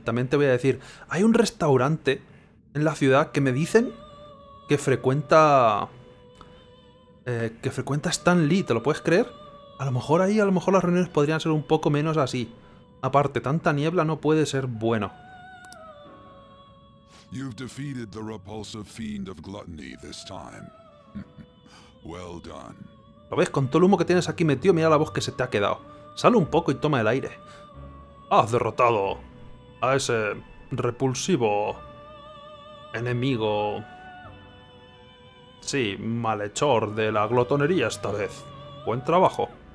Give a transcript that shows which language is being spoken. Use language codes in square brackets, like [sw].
[es] También te voy a decir, hay un restaurante en la ciudad que me dicen que frecuenta... Que frecuenta Stan Lee, ¿te lo puedes creer? A lo mejor ahí, a lo mejor las reuniones podrían ser un poco menos así. Aparte, tanta niebla no puede ser bueno. [en] You've defeated the repulsive fiend of gluttony this time. Well done. [es] ¿Lo ves? Con todo el humo que tienes aquí metido, mira la voz que se te ha quedado. Sale un poco y toma el aire. Has derrotado a ese repulsivo enemigo. Sí, malhechor de la glotonería esta vez. Buen trabajo.